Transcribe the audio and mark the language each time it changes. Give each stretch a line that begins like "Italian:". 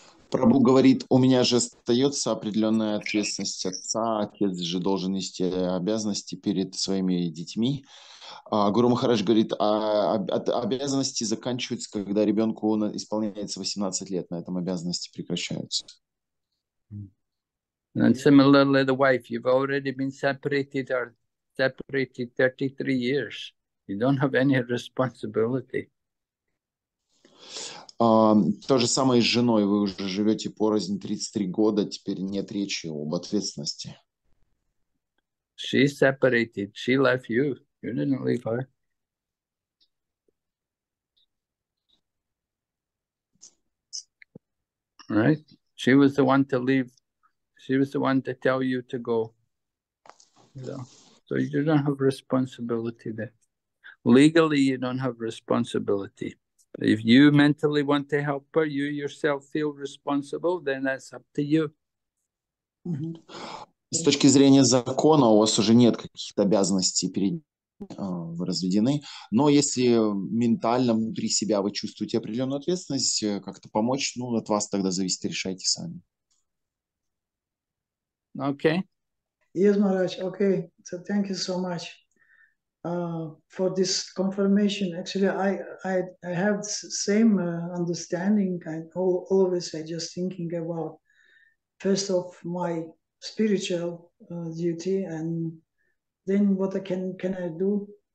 Russian: Прабху говорит, у меня же остается определенная ответственность отца, отец же должен нести обязанности перед своими детьми. Гуру Махарадж говорит, обязанности заканчиваются, когда ребенку исполняется 18 лет, на этом обязанности прекращаются.
English: And similarly, the wife, you've already been separated or separated 33 years. You don't have any responsibility.
Russian: То же самое и с женой. Вы уже живете порознь 33 года, теперь нет речи об ответственности.
English: She separated. She left you. You didn't leave her. Right? She was the one to leave. She was the one to tell you to go. So you don't have responsibility there. Legally, you don't have responsibility. If you mentally want to help her, you yourself feel responsible, then that's up to you. Mm-hmm.
Russian: С точки зрения закона, у вас уже нет каких-то обязанностей перед вы разведены, но если ментально внутри себя вы чувствуете определенную ответственность, как-то помочь, ну, от вас тогда зависит, решайте сами.
English: Okay. Yes, Maharaj. Okay. So thank you so much for this confirmation. Actually, I have the same understanding. Always I just thinking about first of my spiritual duty, and then what can I do?